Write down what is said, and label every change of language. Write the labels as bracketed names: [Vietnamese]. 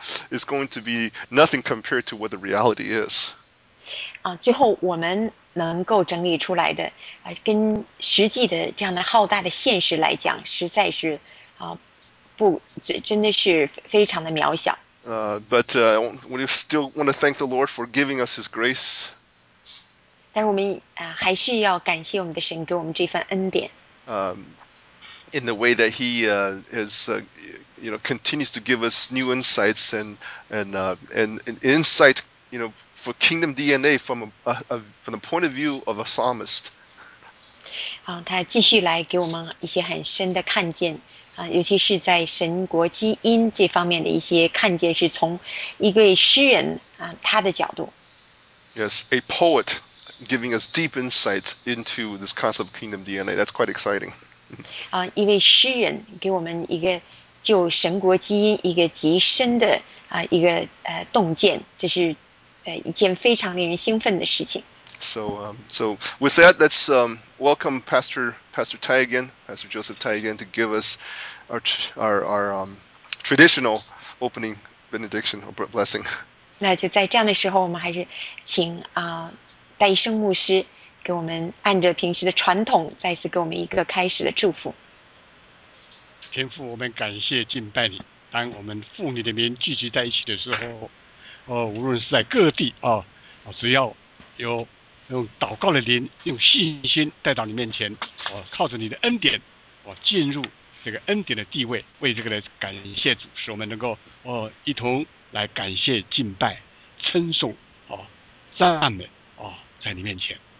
[English] is going to be nothing compared to what the reality is. [Chinese] 最后我们能够整理出来的，跟实际的这样的浩大的现实来讲，实在是不，真的是非常的渺小。 [English] But we still want to thank the Lord for giving us His grace. [Chinese] 但是我们还是要感谢我们的神给我们这份恩典。 [English] In the way that He has, you know, continues to give us new insights and insight, you know, for kingdom DNA from the point of view of a psalmist. [Chinese] 他继续来给我们一些很深的看见，尤其是在神国基因这方面的一些看见，是从一位诗人他的角度。 [English] Yes, a poet giving us deep insight into this concept of kingdom DNA. That's quite exciting. [Chinese] 一位诗人给我们一个就神国基因一个极深的一个洞见，这是一件非常令人兴奋的事情。 [English] So with that, let's welcome Pastor Tai again, Pastor Joseph Tai again, to give us our traditional opening benediction or blessing. [Chinese] 那就在这样的时候，我们还是请戴生牧师给我们按着平时的传统，再次给我们一个开始的祝福。天父，我们感谢敬拜你。当我们父你的名聚集在一起的时候，无论是在各地只要有用祷告的灵，用信心带到你面前，靠着你的恩典，进入这个恩典的地位，为这个来感谢主，使我们能够一同来感谢敬拜称颂赞美在你面前。